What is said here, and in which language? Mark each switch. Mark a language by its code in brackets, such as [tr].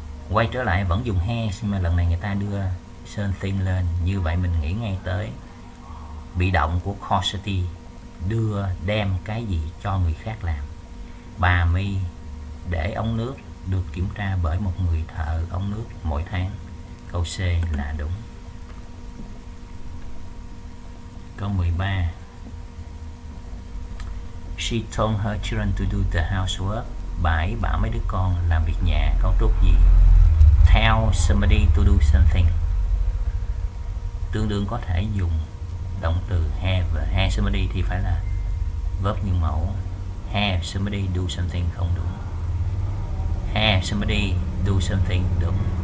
[vi] Quay trở lại vẫn dùng has, nhưng mà lần này người ta đưa something lên. Như vậy mình nghĩ ngay tới bị động của causality, đưa đem cái gì cho người khác làm. Bà My để ống nước được kiểm tra bởi một người thợ ống nước mỗi tháng. Câu C là đúng. Câu 13, [en] she told her children to do the housework. [vi] Bà ấy bảo mấy đứa con làm việc nhà. Cấu trúc gì? [en] Tell somebody to do something. [vi] Tương đương có thể dùng động từ have và have somebody thì phải là verb nguyên mẫu. [en] Have somebody do something [vi] không đúng. [en] Have somebody do something đúng.